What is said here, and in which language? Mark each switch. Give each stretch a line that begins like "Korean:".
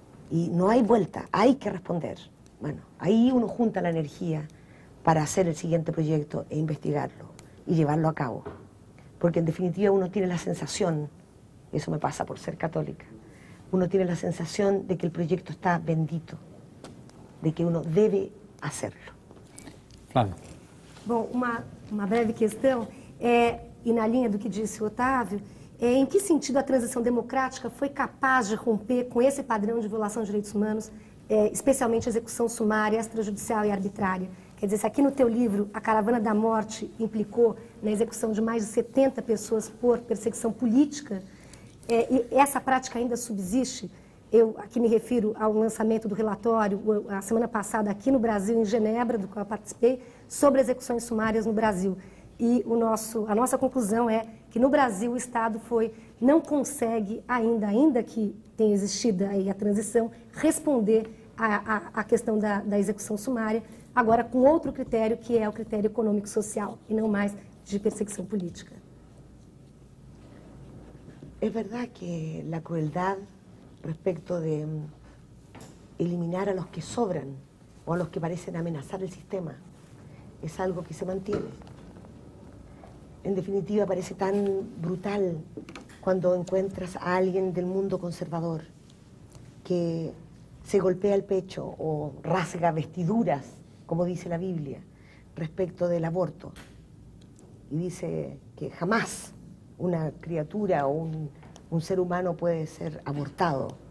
Spanish: Y no hay vuelta, hay que responder. Bueno, ahí uno junta la energía para hacer el siguiente proyecto e investigarlo y llevarlo a cabo. Porque en definitiva uno tiene la sensación, eso me pasa por ser católica, uno tiene la sensación de que el proyecto está bendito, de que uno debe hacerlo.
Portuguese: Flávia. Bom, uma breve questão, e na linha do que disse o Otávio, em que sentido a transição democrática foi capaz de romper com esse padrão de violação de direitos humanos, especialmente a execução sumária, extrajudicial e arbitrária? Quer dizer, se aqui no teu livro A Caravana da Morte implicou na execução de mais de 70 pessoas por perseguição política, e essa prática ainda subsiste? Eu aqui me refiro ao lançamento do relatório, a semana passada, aqui no Brasil, em Genebra, do qual eu participei, sobre execuções sumárias no Brasil. E a nossa conclusão é que no Brasil o Estado não consegue ainda que tenha existido aí a transição, responder à questão da execução sumária, agora com outro critério, que é o critério econômico-social, e não mais de perseguição política.
Spanish: Es verdad que la crueldad respecto de eliminar a los que sobran o a los que parecen amenazar el sistema es algo que se mantiene. En definitiva, parece tan brutal cuando encuentras a alguien del mundo conservador que se golpea el pecho o rasga vestiduras, como dice la Biblia, respecto del aborto, y dice que jamás una criatura o un ser humano puede ser abortado.